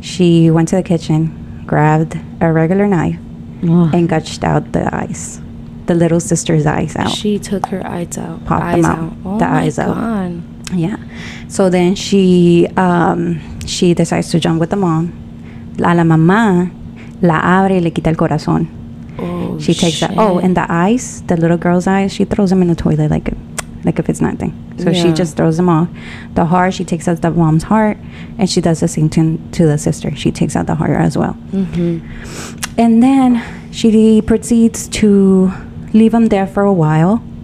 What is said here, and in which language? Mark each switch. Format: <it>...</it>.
<en>She went to the kitchen, grabbed a regular knife, and gutched out the eyes. The little sister's eyes out. She took her eyes out. Popped them out. Oh my God. Yeah. So then she decides to jump with the mom.</en> <es>La mamá la abre y le quita el corazón.</es> <en>And the eyes, the little girl's eyes, she throws them in the toilet like if it's nothing. So yeah. She just throws them off. The heart, she takes out the mom's heart, and she does the same thing to the sister. She takes out the heart as well. Mm-hmm. And then she proceeds to leave them there for a while.</en>